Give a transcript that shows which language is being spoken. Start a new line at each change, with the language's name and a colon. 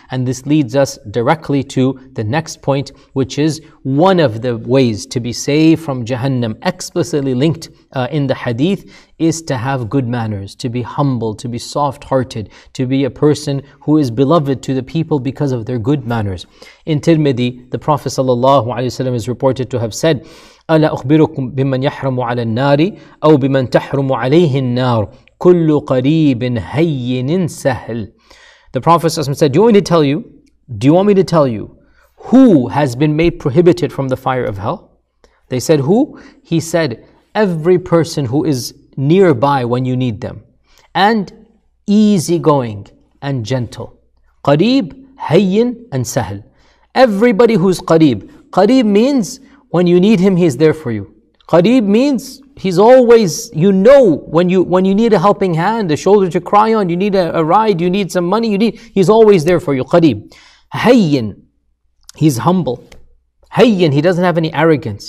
English: And this leads us directly to the next point, which is one of the ways to be saved from Jahannam, explicitly linked in the hadith, is to have good manners, to be humble, to be soft-hearted, to be a person who is beloved to the people because of their good manners. In Tirmidhi, the Prophet ﷺ is reported to have said,
Arabic: ألا أخبركم بمن يحرم على النار أو بمن تحرم عليه النار كل قريب هين سهل.
English: The Prophet said, do you want me to tell you? Do you want me to tell you who has been made prohibited from the fire of hell? They said, who? He said, every person who is nearby when you need them. And easygoing and gentle.
Arabic: قريب, هين, and سهل.
English: Everybody who's قريب. قريب means when you need him, he's there for you. قريب means he's always, you know, when you need a helping hand, a shoulder to cry on, you need a ride, you need some money, he's always there for you.
Arabic: قريب.
English: هين, he's humble. هين, he doesn't have any arrogance.